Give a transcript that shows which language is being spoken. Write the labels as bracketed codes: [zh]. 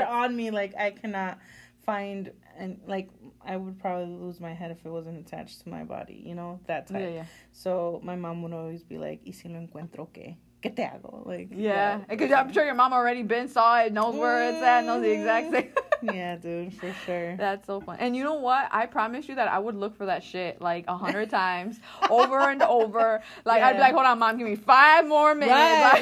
[en] they're on me, like, I cannot find, and like, I would probably lose my head if it wasn't attached to my body, you know, that type. Yeah, yeah. So my mom would always be like, [es] ¿y si lo encuentro qué? ¿Qué te hago? Like, [en] yeah, because I'm sure your mom already been, saw it, knows where it's at, knows the exact same. Yeah, dude, for sure. That's so fun. And you know what? I promise you that I would look for that shit like 100 times over and over. Like, yeah. I'd be like, hold on, mom, give me 5 more minutes. Right.